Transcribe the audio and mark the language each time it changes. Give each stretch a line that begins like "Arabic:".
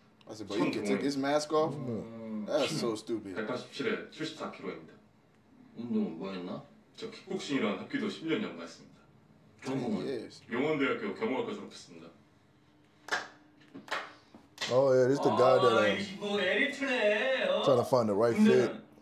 English: I said, but he can take his mask off? That's so stupid.
Korean: 187에 74kg입니다. 운동은 뭐 했나? 저 킥복싱이라는 학교도 10년 연마했습니다. 전공은? 명원대학교 경영학과 졸업했습니다.
English: Oh yeah, this is the guy that I'm trying to find the right fit.